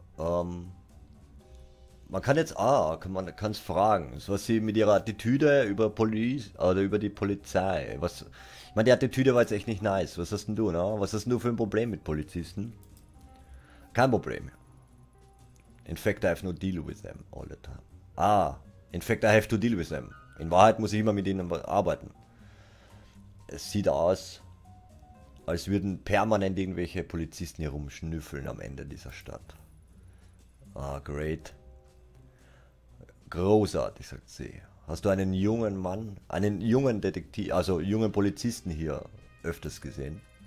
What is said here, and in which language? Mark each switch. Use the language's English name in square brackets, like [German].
[German] Man kann jetzt, man kann es fragen, was sie mit ihrer Attitüde über die Polizei, was, ich meine, die Attitüde war jetzt echt nicht nice, was hast denn du, ne? Was hast denn du für ein Problem mit Polizisten? Kein Problem. [English] In fact, I have no deal with them all the time. Ah, in fact, I have to deal with them. [German] In Wahrheit muss ich immer mit ihnen arbeiten. Es sieht aus, als würden permanent irgendwelche Polizisten hier rumschnüffeln am Ende dieser Stadt. Ah, great. Großartig, sagt sie. Hast du einen jungen Mann, einen jungen Detektiv, also jungen Polizisten hier öfters gesehen?